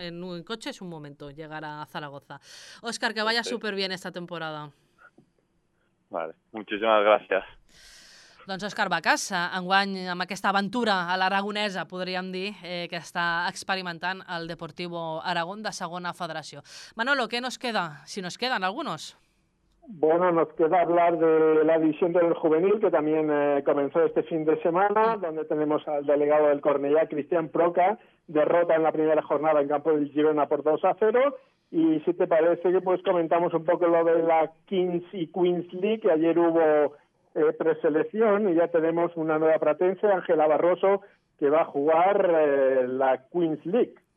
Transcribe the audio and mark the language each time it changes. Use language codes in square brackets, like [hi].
[es] En un coche es un momento llegar a Zaragoza. Óscar, que vaya súper bien esta temporada. Vale, muchísimas gracias. [ca] Doncs Òscar Vacas, enguany amb aquesta aventura a l'aragonesa, podríem dir, que està experimentant el Deportivo Aragón de Segona Federació. Manolo, què nos queda? Si nos queden algunos. [es] Bueno, nos queda hablar de la división del juvenil, que también comenzó este fin de semana, donde tenemos al delegado del Cornellà, Cristian Proca, derrota en la primera jornada en campo del Girona por 2-0. Y si te parece que pues comentamos un poco lo de la Kings y Queens League, que ayer hubo preselección y ya tenemos una nueva pretense, Ángela Barroso, que va a jugar la Queens League.